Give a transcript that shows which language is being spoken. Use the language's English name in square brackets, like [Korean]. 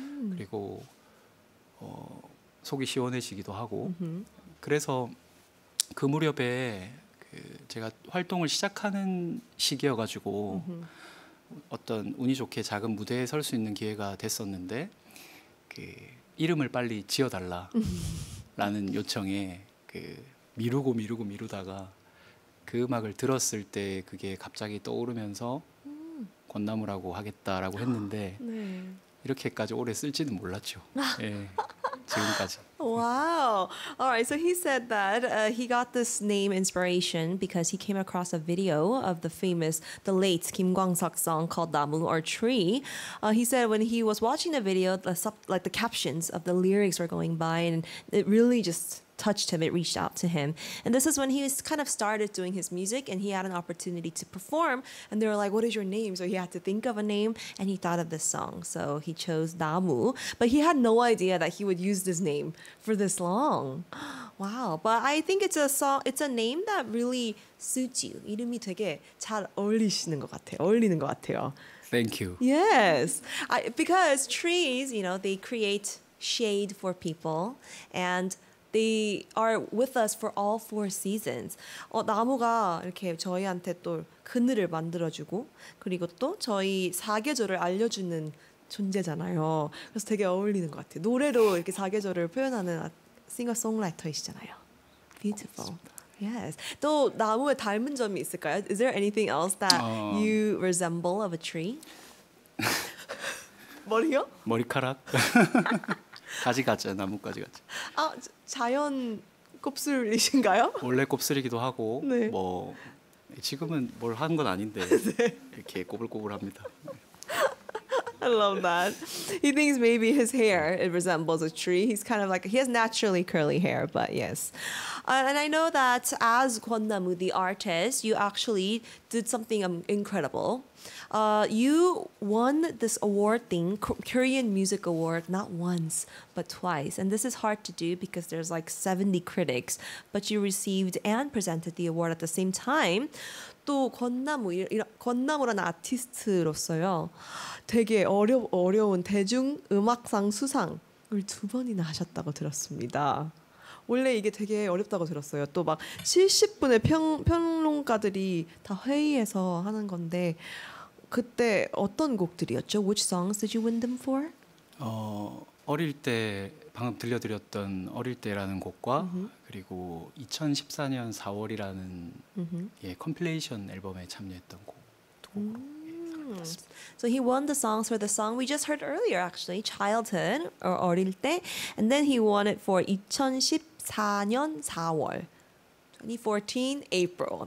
[Korean] 그리고 속이 시원해지기도 하고 그래서 그 무렵에 그 제가 활동을 시작하는 시기여가지고 어떤 운이 좋게 작은 무대에 설 수 있는 기회가 됐었는데 그 이름을 빨리 지어달라 라는 요청에 그 미루고 미루고 미루다가 그 음악을 들었을 때 그게 갑자기 떠오르면서 권나무라고 하겠다라고 했는데 네. 이렇게까지 오래 쓸지는 몰랐죠. 예. 와우. [English] All right. So he said that he got this name inspiration because he came across a video of the famous, the late Kim Kwang-seok song called Damu or Tree. He said when he was watching the video, the captions of the lyrics were going by and it really just touched him. It reached out to him. And this is when he was kind of started doing his music and he had an opportunity to perform. And they were like, what is your name? So he had to think of a name and he thought of this song. So he chose Damu. But he had no idea that he would use this name for this long. Wow. But I think it's a song, it's a name that really suits you. [Korean] 이름이 되게 잘 어울리시는 것 같아요. 어울리는 것 같아요. [English] Thank you. Yes. Because trees, you know, they create shade for people. And they are with us for all four seasons. [Korean] 나무가 이렇게 저희한테 또 그늘을 만들어주고 그리고 또 저희 사계절을 알려주는 존재잖아요. 그래서 되게 어울리는 것 같아요. 노래로 이렇게 사계절을 표현하는 싱어송라이터이시잖아요. [English] Beautiful. Yes. [Korean] 또 나무에 닮은 점이 있을까요? [English] Is there anything else that you resemble of a tree? [Korean] 머리요? 머리카락. 가지 같죠. 나뭇가지 같죠. 아, 자연 곱슬이신가요? 원래 곱슬이기도 하고 네. 뭐 지금은 뭘 하는 건 아닌데 네. 이렇게 꼬불꼬불합니다. [English] I love that. He thinks maybe his hair it resembles a tree. He's kind of like he has naturally curly hair, but yes. And I know that as 권나무 the artist, you actually did something incredible. You won this award thing, Korean Music Award, not once, but twice. And this is hard to do because there's like 70 critics, but you received and presented the award at the same time. [Korean] 또 권나무라는 아티스트로서요, 되게 어려운 대중음악상 수상을 두 번이나 하셨다고 들었습니다. 원래 이게 되게 어렵다고 들었어요. 또 막 70분의 평론가들이 다 회의해서 하는 건데 그때 어떤 곡들이었죠? [English] Which songs did you win them for? [Korean] 어릴 때 방금 들려드렸던 어릴 때라는 곡과 그리고 2014년 4월이라는 예, 컴필레이션 앨범에 참여했던 곡도 [English] So he won the songs for the song we just heard earlier actually, Childhood or 어릴 때 and then he won it for 2014년 4월 2014 April.